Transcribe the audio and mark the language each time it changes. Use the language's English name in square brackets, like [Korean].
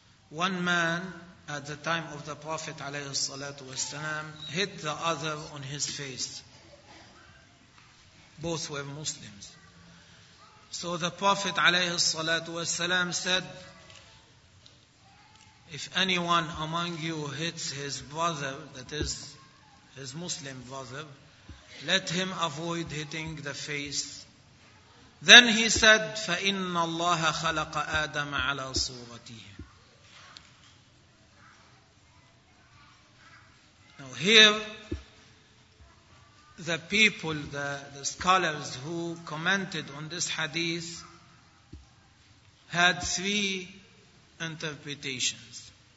[English] One man at the time of the Prophet [Arabic] عليه الصلاة والسلام [English] hit the other on his face. Both were Muslims. So the Prophet [Arabic] عليه الصلاة والسلام [English] said, if anyone among you hits his brother, that is his Muslim brother, let him avoid hitting the face. Then he said, [Arabic] فَإِنَّ اللَّهَ خَلَقَ آدَمَ عَلَى صُورَتِهِ. [English] Now here, the people, the scholars who commented on this hadith had three interpretations.